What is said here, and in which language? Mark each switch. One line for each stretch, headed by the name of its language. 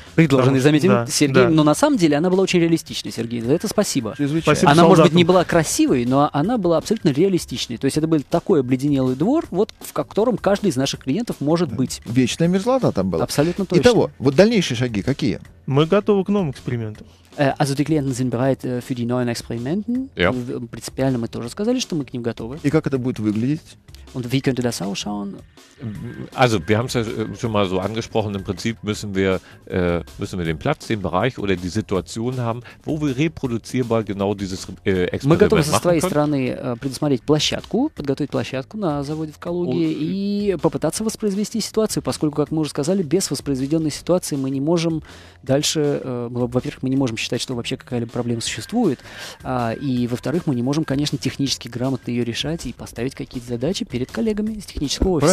Russian: Предложенный, заметим, да, Сергей. Да. Но на самом деле она была очень реалистичной, Сергей. За это спасибо. Спасибо. Она, может быть, не была красивой, но она была абсолютно реалистичной. То есть это был такой обледенелый двор, вот в котором каждый из наших клиентов может быть. Вечная мерзлота там была. Абсолютно точно. Итого, вот дальнейшие шаги какие? Мы готовы к новым экспериментам.
German: Also die Klienten sind bereit für die neuen Experimente. Ja. Prinzipiell haben wir auch gesagt, dass wir zu ihnen
Russian: готовы. И как это будет выглядеть?
German: Und wie könnte das ausschauen? Also wir haben es ja schon mal so angesprochen. Im Prinzip müssen wir den Platz, den Bereich oder die Situation haben, wo wir reproduzierbar genau dieses Experiment machen können.
Russian: Мы готовы со своей стороны предусмотреть площадку, подготовить площадку на заводе в Калуге и попытаться воспроизвести ситуацию, поскольку, как мы уже сказали, без воспроизведенной ситуации мы не можем дальше. Во-первых, мы не можем считать, что вообще какая-либо проблема существует, и, во-вторых, мы не можем, конечно, технически грамотно ее решать и поставить какие-то задачи перед коллегами из технического офиса.